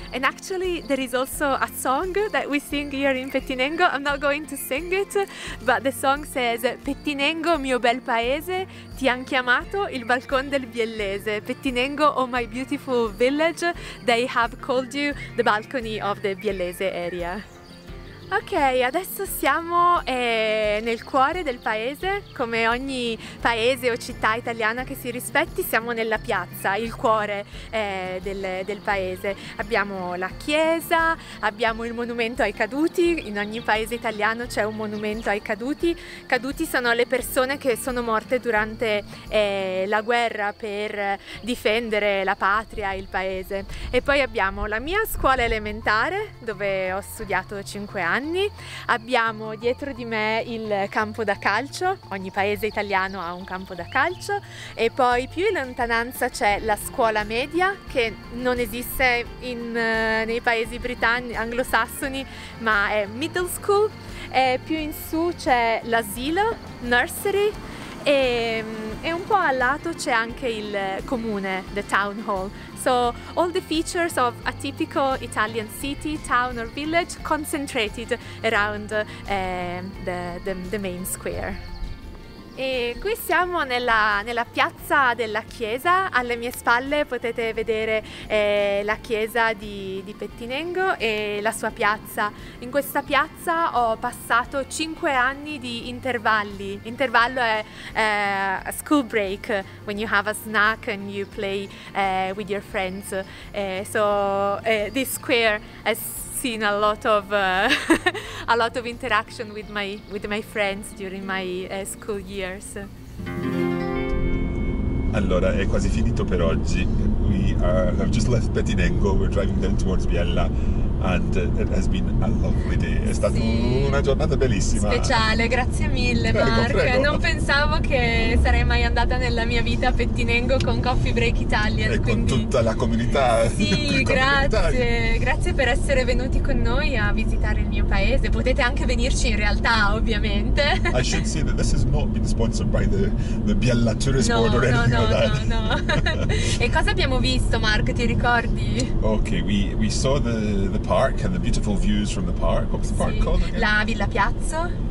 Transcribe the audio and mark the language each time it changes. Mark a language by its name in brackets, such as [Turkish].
[English] And actually there is also a song that we sing here in Pettinengo. I'm not going to sing it, but the song says [Italian] Pettinengo mio bel paese ti han chiamato il balcone del Biellese. [English] Pettinengo, oh my beautiful village, they have called you the balcony of the Biellese area. [Italian] Ok, adesso siamo nel cuore del paese, come ogni paese o città italiana che si rispetti, siamo nella piazza, il cuore del paese. Abbiamo la chiesa, abbiamo il monumento ai caduti, in ogni paese italiano c'è un monumento ai caduti. Caduti sono le persone che sono morte durante la guerra per difendere la patria e il paese. E poi abbiamo la mia scuola elementare, dove ho studiato 5 anni. Abbiamo dietro di me il campo da calcio, ogni paese italiano ha un campo da calcio, e poi più in lontananza c'è la scuola media, che non esiste nei paesi britannici anglosassoni, ma è middle school, e più in su c'è l'asilo, nursery, e un po' al lato c'è anche il comune, [English] the town hall. So all the features of a typical Italian city, town or village concentrated around the main square. [Italian] E qui siamo nella piazza della chiesa, alle mie spalle potete vedere la chiesa di Pettinengo e la sua piazza. In questa piazza ho passato 5 anni di intervalli. Intervallo è [English] school break, when you have a snack and you play with your friends. This square has seen a lot of a lot of interaction with my friends during my school years. [Italian] Allora, è quasi finito per oggi. [English] We have just left Pettinengo. We're driving down towards Biella, and it has been a lovely day. [Italian] È stata una giornata bellissima. Speciale, grazie mille, Mark. Prego. Non pensavo che sarei mai andata nella mia vita a Pettinengo con Coffee Break Italian. E con tutta la comunità. Sì, grazie per essere venuti con noi a visitare il mio paese. Potete anche venirci in realtà, ovviamente. [English] I should say that this has not been sponsored by the Biella Tourist Board or anything like that. [Italian] No. E cosa abbiamo visto, Mark? Ti ricordi? [English] Ok, we saw the park. park and the beautiful views from the park. What was the park called again? [Italian] La Villa Piazza.